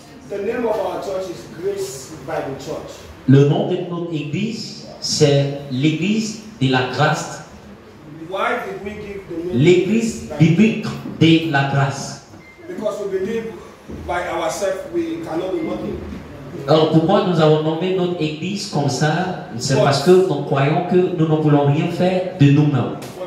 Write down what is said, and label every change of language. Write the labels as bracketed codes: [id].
[en] The name of our church is Grace Bible Church. [fr] Le nom de notre église, c'est l'église de la grâce. [en] Why did we give the name? [fr] L'église biblique de la grâce. [en] Because we believe by ourselves we cannot be nothing. [fr] Alors pourquoi nous avons nommé notre église comme ça? C'est parce que nous croyons que nous ne voulons rien faire de nous-mêmes.